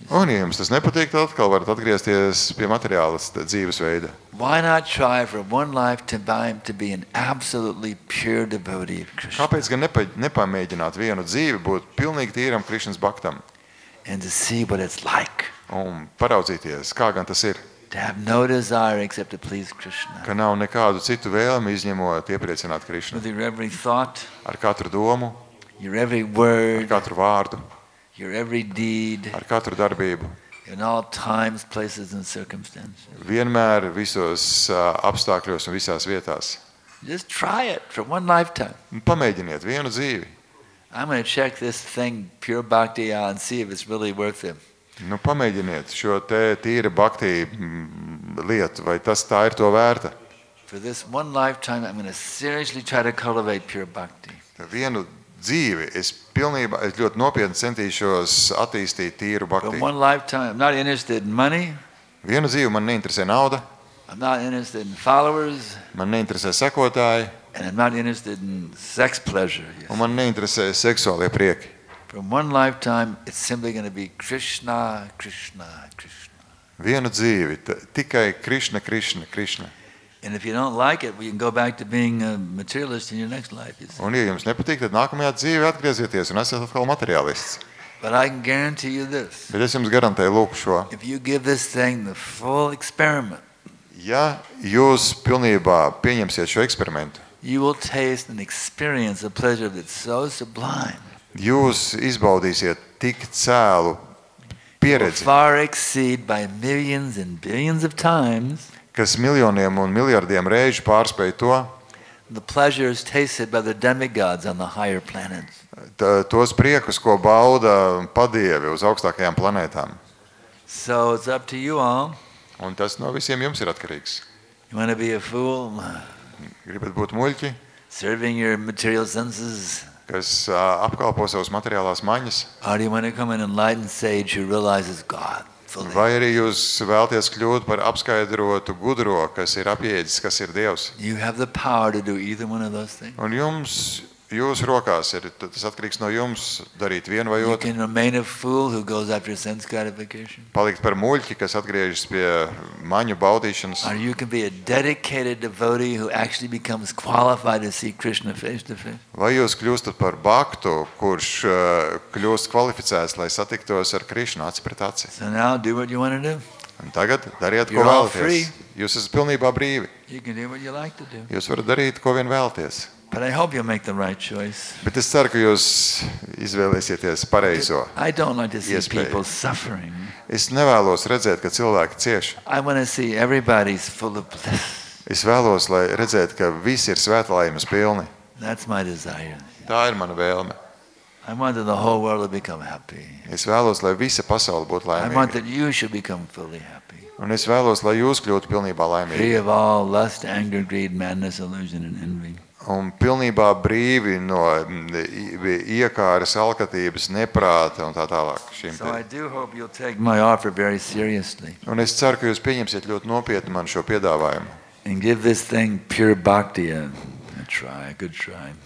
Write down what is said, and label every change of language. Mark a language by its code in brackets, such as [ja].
[lv] Un, ja jums tas nepatīk, tad atkal varat atgriezties pie materiālista dzīves veida. [en] Why not try for one life to be an absolutely pure devotee of Krishna? [lv] Kāpēc gan nepamēģināt vienu dzīvi būt pilnīgi tīram Krishnas baktam? [en] And to see what it's like. [lv] Un paraudzīties, kā gan tas ir. [en] To have no desire except to please Krishna. [lv] Ka nav nekādu citu vēlmi izņemot iepriecināt Krishnu. [en] With your every thought. [lv] Ar katru domu. [en] Your every word. [lv] Ar katru vārdu. [en] Your every deed. [lv] Ar katru darbību. [en] In all times, places and circumstances. [lv] Vienmēr visos apstākļos un visās vietās. [en] Just try it for one lifetime. [lv] Pamēģiniet vienu dzīvi. [en] I'm going to check this thing pure bhakti and see if it's really worth it. [lv] Nu, pamēģiniet šo te tīra bhakti lietu, vai tas tā ir to vērta. [en] For this one lifetime I'm going to seriously try to cultivate pure bhakti. [lv] Vienu dzīvi es pilnībā, es ļoti nopietni centīšos attīstīt tīru bhakti. [en] For one lifetime I'm not interested in money. [lv] Vienu dzīvi man neinteresē nauda. [en] I'm not interested in followers. [lv] Man neinteresē sekotāji. [en] And I'm not interested in sex pleasure. Yes. [lv] Un man neinteresē seksuālie prieki. [en] From one lifetime it's simply going to be Krishna, Krishna, Krishna. [lv] Vienu dzīvi tikai Krishna, Krishna, Krishna. [en] And if you don't like it, you can go back to being a materialist in your next life. [lv] Un, ja jums nepatīk, tad nākamajā dzīvē atgriezieties un esat atkal materialists. [en] But I can guarantee you this. [lv] Bet es jums garantēju lūku šo. [en] If you give this thing the full experiment. [lv] Ja jūs pilnībā pieņemsiet šo eksperimentu. [en] You will taste and experience a pleasure that's so sublime. [lv] Jūs izbaudīsiet tik cēlu pieredzi, [en] far exceed by millions and billions of times, [lv] kas miljoniem un miljardiem reižu pārspēj to, [en] the pleasures tasted by the demigods on the higher planets. [lv] Tos priekus, ko bauda padievi uz augstākajām planētām. [en] So it's up to you all. [lv] Un tas no visiem jums ir atkarīgs. [en] You want to be a fool? [lv] Gribat būt muļķi? [en] Serving your material senses. [lv] Kas apkalpo savus materiālās maņas. Vai arī jūs vēlties kļūt par apskaidrotu gudro, kas ir apjēdzis, kas ir Dievs. Un jums, jūs rokās, ir, tas atkarīgs no jums darīt vienu vai otru. Palikt par muļķi, kas atgriežas pie maņu baudīšanas. [en] Or you can be a dedicated devotee who actually becomes qualified to see Krishna face to face. [lv] Vai jūs kļūstat par baktu, kurš kļūst kvalificēts, lai satiktos ar Krishnu acis pret aci. [en] So now do what you want to do. [lv] Un tagad dariet, [en] you're [lv] ko vēlaties. Jūs esat pilnībā brīvi. [en] You can do what you like to do. [lv] Jūs varat darīt, ko vien vēlaties. [en] But I hope you'll make the right choice. [lv] Bet es ceru, ka jūs izvēlēsieties pareizo. [en] I don't like to see people suffering. [lv] Es nevēlos redzēt, ka cilvēki cieš. [en] I want to see everybody's full of bliss. [lv] Es vēlos, lai redzēt, ka visi ir svētlaimes pilni. [en] That's my desire. [lv] Tā ir mana vēlme. [en] I want the whole world to become happy. [lv] Es vēlos, lai visa pasaule būtu laimīga. [en] I want that you should become fully happy. [lv] Un es vēlos, lai jūs kļūtu pilnībā laimīgi. [en] Free of all lust, anger, greed, madness, illusion and envy. [lv] Un pilnībā brīvi no iekāras, alkatības, neprāta un tā tālāk. Šim [en] so I do hope you'll take my offer very seriously. [lv] Un es ceru, ka jūs pieņemsiet ļoti nopietni man šo piedāvājumu. [en] And give this thing pure bhakti a try, a good try.